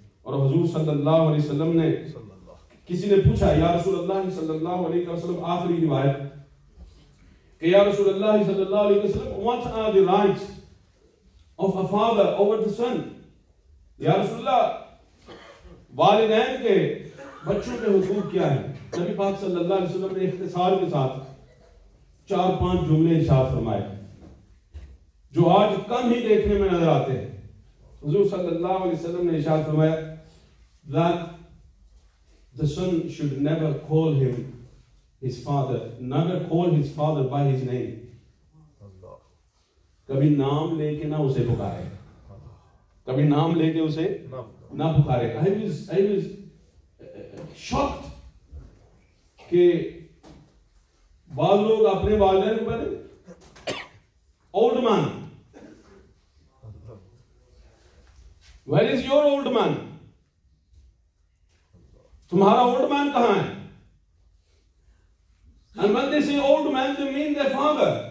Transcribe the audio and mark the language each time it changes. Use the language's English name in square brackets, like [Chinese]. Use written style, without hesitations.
[Urdu] اور حضور صلی اللہ علیہ وسلم نے, کسی نے پوچھا یا رسول اللہ صلی اللہ علیہ وسلم, آخری روایت کہ یا رسول اللہ صلی اللہ علیہ وسلم, [English] what are the rights of a father over the son. [Urdu] یا رسول اللہ, والدین کے بچوں کے حقوق کیا ہیں؟ نبی پاک صلی اللہ علیہ وسلم نے اختصار کے ساتھ چار پانچ جملے ارشاد فرمائے جو آج کم ہی دیکھنے میں نظر آتے ہیں. حضور صلی اللہ علیہ وسلم نے ارشاد فرمایا [English] that the son should never call him his father, never call his father by his name. [Urdu] کبھی نام لے کے نہ اسے پکارے, کبھی نام لے کے اسے نہ پکارے. [English] I was shocked [Urdu] کہ بعض لوگ اپنے والدین کو پہلے old man, [English] where is your old man, [Urdu] تمہارا اولڈ مین کہاں ہے. [English] And when they say old man they mean their father.